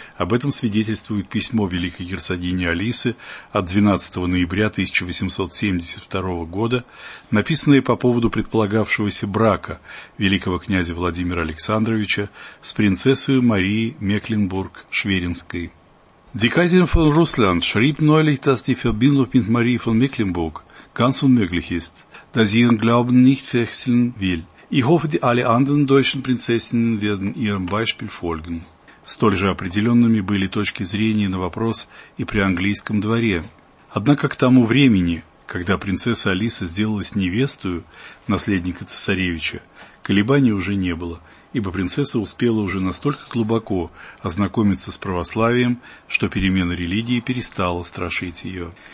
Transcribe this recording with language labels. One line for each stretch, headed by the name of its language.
Russian: Об этом свидетельствует письмо великой герцогини Алисы от 12 ноября 1872 года, написанное по поводу предполагавшегося брака великого князя Владимира Александровича с принцессой Марией Мекленбург-Шверинской.
German: Die Kaiserin von Russland schrieb neulich, dass die Verbindung mit Marie von Mecklenburg ganz unmöglich ist, da sie ihren Glauben nicht wechseln will. Ich hoffe, die alle anderen deutschen Prinzessinnen werden ihrem Beispiel folgen.
Russian: Столь же определенными были точки зрения на вопрос и при английском дворе. Однако к тому времени, когда принцесса Алиса сделалась невестою наследника цесаревича, колебаний уже не было, ибо принцесса успела уже настолько глубоко ознакомиться с православием, что перемена религии перестала страшить ее.